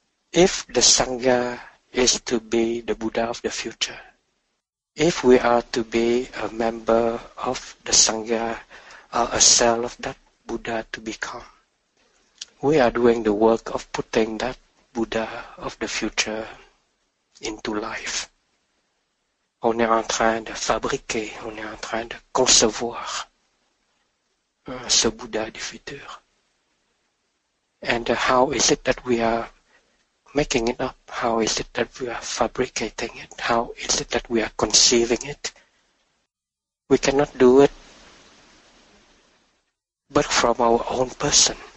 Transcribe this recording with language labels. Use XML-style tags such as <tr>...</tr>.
<en>If the Sangha is to be the Buddha of the future, if we are to be a member of the Sangha or a cell of that Buddha to become, we are doing the work of putting that Buddha of the future into life.</en> <fr>On est en train de fabriquer, on est en train de concevoir ce Buddha du futur.</fr> <en>And how is it that we are making it up? How is it that we are fabricating it? How is it that we are conceiving it? We cannot do it but from our own person.</en>